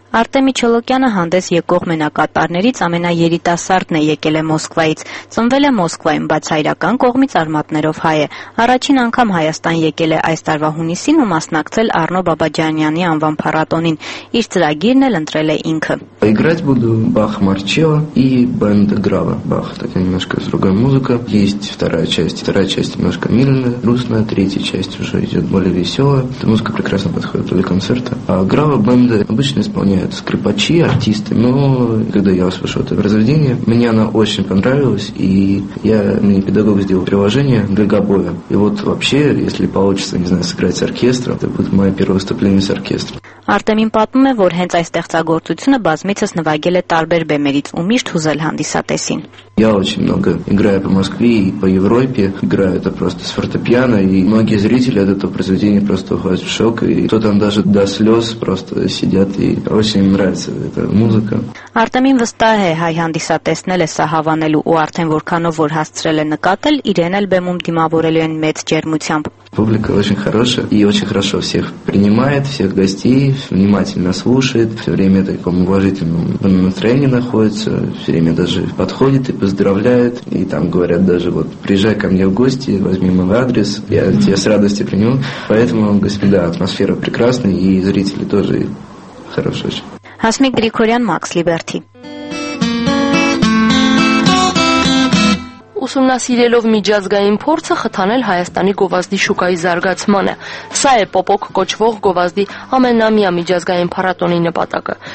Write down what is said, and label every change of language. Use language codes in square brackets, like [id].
[hy] Արտեմ Միջոլոկյանը հանդես եկող մենակատարներից ամենաերիտասարդն է, եկել է Մոսկվայից, ծնվել է Մոսկվայում, բայց հայրական կողմից արմատներով հայ է։ Առաջին անգամ Հայաստան եկել է այս տարվա հունիսին ու մասնակցել Արնո Բաբաջանյանի անվան փառատոնին, իր ծրագիրն էլ ընտրել է ինքը։ [ru] Играть буду Бах Марчио и Бенд Грава. Бах – это немножко другая музыка. Есть вторая часть немножко мирная, грустная, третья часть уже идет более веселая. Эта музыка прекрасно подходит для концерта. А Грава Бенда обычно исполняют скрипачи, артисты. Но когда я услышал это произведение, мне она очень понравилась. И мне педагог сделал приложение для габоя. И вот вообще, если получится, не знаю, сыграть с оркестром, это будет мое первое выступление с оркестром. [hy] Արտեմին պատմում է, որ հենց այս ստեղծագործությունը բազմիցս նվագել է տարբեր բեմերից ու միշտ հուզել հանդիսատեսին։ [ru] Я очень много играю по Москве и по Европе. Играю это просто с фортепиано, и многие зрители от этого произведения просто уходят в шок, и кто там даже до слез просто сидят, и очень им нравится эта музыка. [hy] Արտեմին վստահ է, հայ հանդիսատեսնել է սա հավանելու, ու արդեն որքանով որ հասցրել է նկատել, իրեն էլ բեմում դիմավորելու են մեծ ջերմությամբ. [ru] Публика очень хорошая и очень хорошо всех принимает, всех гостей, внимательно слушает, все время в таком уважительном настроении находится, все время даже подходит и поздравляет, и там говорят даже, вот, приезжай ко мне в гости, возьми мой адрес, я тебя с радостью приму. Поэтому, господа, атмосфера прекрасная, и зрители тоже хорошо. [hy] Հասմիկ Գրիգորյան, Մաքս Լիբերթի. Ուսումնասիրելով միջազգային փորձը խթանել Հայաստանի գովազդի շուկայի զարգացմանը, սա է Պոպոկ կոչվող գովազդի ամենամյա միջազգային փառատոնի նպատակը։